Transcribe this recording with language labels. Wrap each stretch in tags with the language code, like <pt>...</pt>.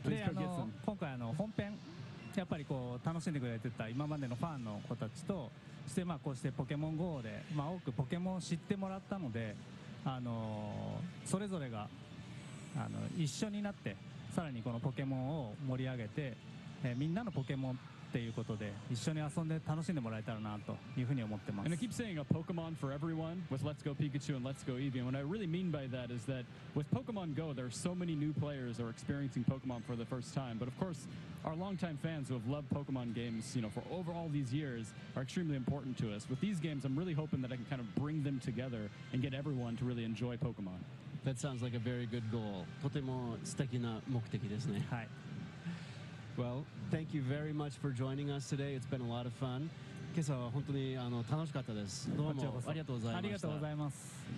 <ja>はい、であの今回あの本編、やっぱりこう楽しんでくれてた今までのファンの子たちと、してまあこうしてポケモン Go で、まあ、多くポケモンを知ってもらったので、あのそれぞれがあの一緒になってさらにこのポケモンを盛り上げて、みんなのポケモンっていうことで一緒に遊んで楽しんでもらえたらなというふうに思ってます。</ja> <en>And I keep saying a Pokemon for everyone with Let's Go Pikachu and Let's Go Eevee, and what I really mean by that is that with Pokemon Go there are so many new players are experiencing Pokemon for the first time, but of course our longtime fans who have loved Pokemon games, you know, for over all these years are extremely important to us. With these games, I'm really hoping that I can kind of bring them together and get everyone to really enjoy Pokemon. That sounds like a very good goal.</en> <ja>とても素敵な目的ですね。はい。</ja> <en>Well, thank you very much for joining us today. It's been a lot of fun.</en> <ja>今朝は本当にあの楽しかったです。どうもありがとうございました。ありがとうございます。</ja>